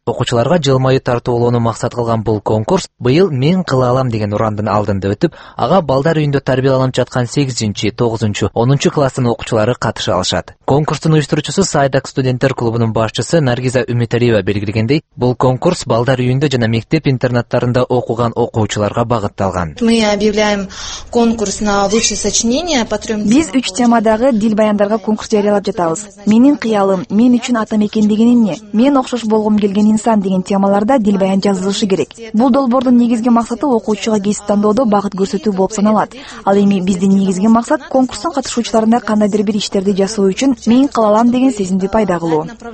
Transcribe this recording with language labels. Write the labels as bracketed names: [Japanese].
[Kyrgyz] Окуучуларга жылмаюу тартуулоону максат кылган бул конкурс быйыл мен кыла алам деген урандын алдында өтүп, ага балдар үйүндө тарбияланып жаткан 8-жинчи, 9-жу, 10-жу класстын окуучулары катыша алышат. Конкурстун уюштуруучусу Сайдак студенттер клубунун башчысы Наргиза Үмүтәлиева белгилегендей, бул конкурс балдар үйүндө жана мектеп интернаттарында окуган окуучуларга багытталган. [Russian] Мы объявляем конкурс на лучшее сочинение по трём. [Kyrgyz] Биз 3 темадагы дил баяндарга конкурс жарыялап жатабыз. Менин кыялым, мен үчүн атам экендигин эмне? Мен окшош болгом келген инсан деген темаларда дил баян жазылышы керек. Бул долбоордун негизги максаты окуучуга кесип тандоодо багыт көрсөтүү болуп саналат. Ал эми биздин негизги максат конкурстун катышуучуларында кандайдыр бир иштерди жасоо үчүн мен кыла алам деген сезимди пайда кылуу.